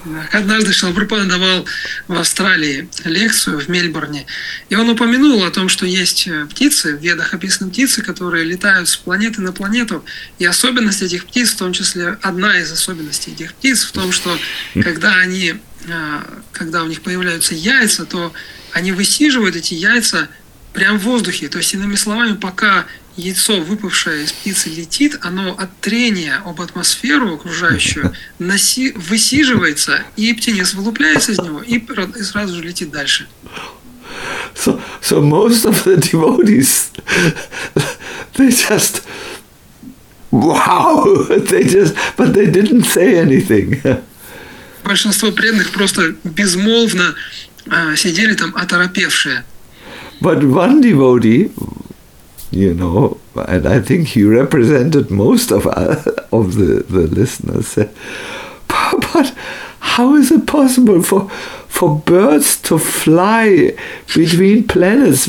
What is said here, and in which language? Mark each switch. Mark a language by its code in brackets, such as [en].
[ru] Однажды Шрила Прабхупада давал в Австралии лекцию в Мельбурне, и он упомянул о том, что есть птицы, в Ведах описаны птицы, которые летают с планеты на планету, и особенность этих птиц, в том числе одна из особенностей этих птиц, в том, что когда у них появляются яйца, то они высиживают эти яйца прямо в воздухе. То есть, иными словами, пока яйцо, выпавшее из птицы, летит, оно от трения об атмосферу окружающую высиживается, и птенец вылупляется из него, и сразу же летит дальше. [en] So most of the devotees, they just, wow, but they didn't say anything. [ru] Большинство преданных просто безмолвно сидели там, оторопевшие. [en] But one devotee, you know, and I think he represented most of the listeners, said, but how is it possible for birds to fly between planets?